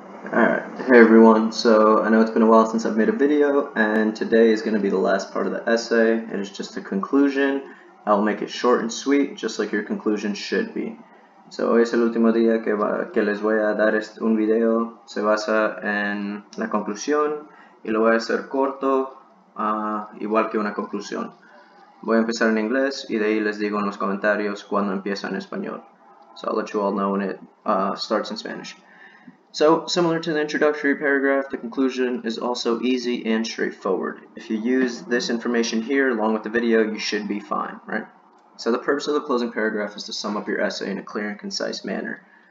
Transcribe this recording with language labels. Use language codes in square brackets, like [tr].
[en] Hey everyone, so I know it's been a while since I've made a video, and today is going to be the last part of the essay, and it's just a conclusion. I'll make it short and sweet, just like your conclusion should be. [es] So hoy es el último día que les voy a dar un video, se basa en la conclusión, y lo voy a hacer corto, igual que una conclusión. Voy a empezar en inglés, y de ahí les digo en los comentarios cuando empieza en español. [en] So I'll let you all know when it starts in Spanish. So, similar to the introductory paragraph, the conclusion is also easy and straightforward. If you use this information here along with the video, you should be fine, right? So the purpose of the closing paragraph is to sum up your essay in a clear and concise manner.